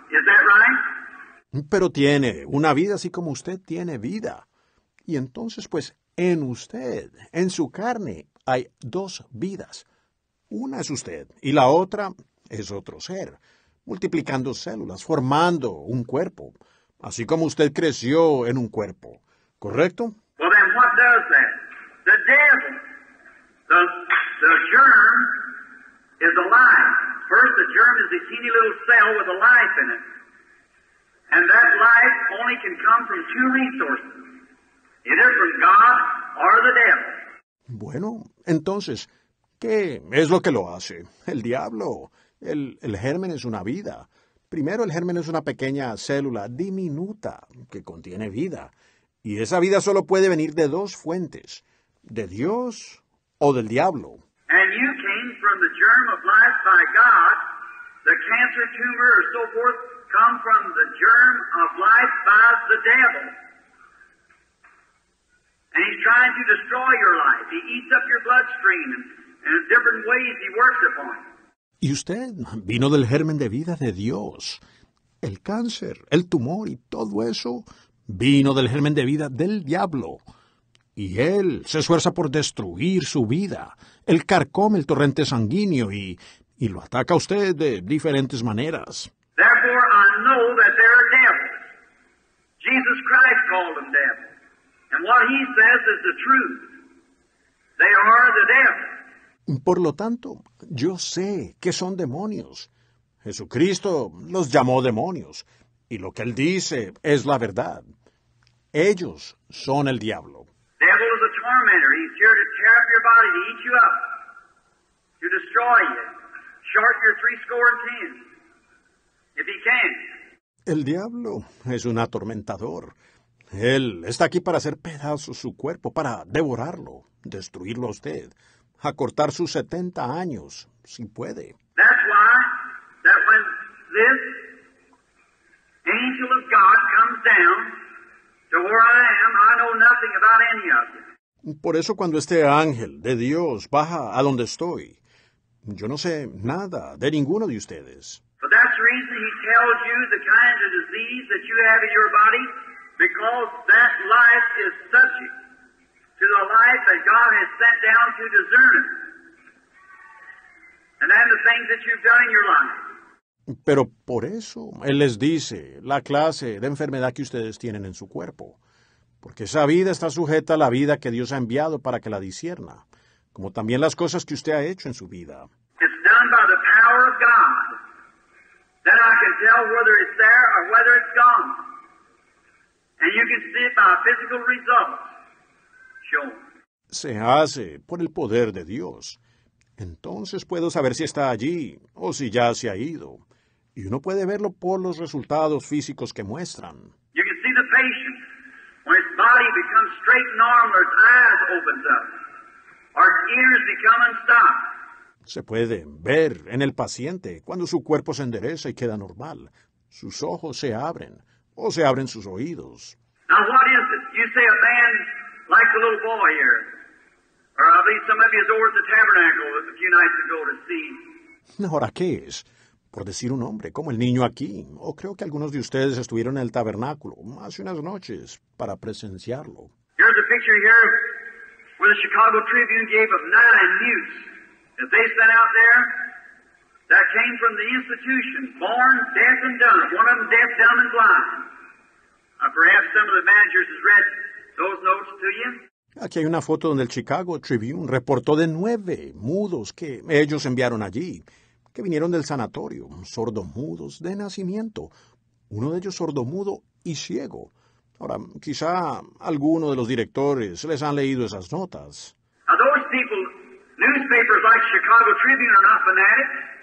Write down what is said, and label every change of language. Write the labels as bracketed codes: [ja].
[en] Is that right? [es] Pero tiene una vida así como usted tiene vida. Y entonces, pues, en usted, en su carne, hay dos vidas. Una es usted y la otra es otro ser, multiplicando células, formando un cuerpo, así como usted creció en un cuerpo. ¿Correcto? [en] Well, then what does that? The devil, the germ is alive. First, the germ is a teeny little cell with a life in it. And that life only can come from two resources. Either from God or the devil. [es] Bueno, entonces, ¿qué es lo que lo hace? El diablo. El germen es una vida. Primero, el germen es una pequeña célula diminuta que contiene vida. Y esa vida solo puede venir de dos fuentes, de Dios o del diablo. [en] And you came from the germ of life by God. The cancer tumor or so forth come from the germ of life by the devil. And he's trying to destroy your life. He eats up your bloodstream and in different ways he works upon it. [es] Y usted vino del germen de vida de Dios. El cáncer, el tumor y todo eso vino del germen de vida del diablo. Y él se esfuerza por destruir su vida. Él carcome el torrente sanguíneo y lo ataca a usted de diferentes maneras. [en] Therefore, I know that there are devils. Jesus Christ called them devils. And what he says is the truth. They are the devils. [es] Por lo tanto, yo sé que son demonios. Jesucristo los llamó demonios, y lo que él dice es la verdad. Ellos son el diablo. [en] The devil is a tormentor. He's here to tear up your body, to eat you up, to destroy you, short your 70, if he can. [es] El diablo es un atormentador. Él está aquí para hacer pedazos su cuerpo, para devorarlo, destruirlo a usted. A cortar sus 70 años, si puede. [en] That's why, that when this angel of God comes down to where I am, I know nothing about any of you. [es] Por eso cuando este ángel de Dios baja a donde estoy, yo no sé nada de ninguno de ustedes. [en] But that's the reason he tells you the kind of disease that you have in your body, because that life is subject to the life that God has sent down to discern it. And then the things that you've done in your life. [es] Pero por eso, él les dice la clase de enfermedad que ustedes tienen en su cuerpo. Porque esa vida está sujeta a la vida que Dios ha enviado para que la discierna. Como también las cosas que usted ha hecho en su vida. [en] It's done by the power of God. Then I can tell whether it's there or whether it's gone. And you can see it by physical results. [es] Se hace por el poder de Dios. Entonces puedo saber si está allí o si ya se ha ido. Y uno puede verlo por los resultados físicos que muestran. [en] You can see the patient when his body becomes straight and normal, or his eyes open up, or his ears become unstopped. [es] Se puede ver en el paciente cuando su cuerpo se endereza y queda normal. Sus ojos se abren o se abren sus oídos. [en] Now what is it? You say a man like the little boy here. Or at least some of you over at the tabernacle a few nights ago to see. [es] Ahora, ¿qué es? Por decir un hombre, como el niño aquí. O creo que algunos de ustedes estuvieron en el tabernáculo hace unas noches para presenciarlo. [en] Here's a picture here where the Chicago Tribune gave of 9 youths that they sent out there that came from the institution, born deaf and dumb. One of them deaf, dumb, and blind. Perhaps some of the managers has read those notes to you. [es] Aquí hay una foto donde el Chicago Tribune reportó de 9 mudos que ellos enviaron allí, que vinieron del sanatorio, sordomudos de nacimiento. Uno de ellos sordomudo y ciego. Ahora, quizá alguno de los directores les han leído esas notas. [en] Now, those people, newspapers like Chicago Tribune are not fanatics.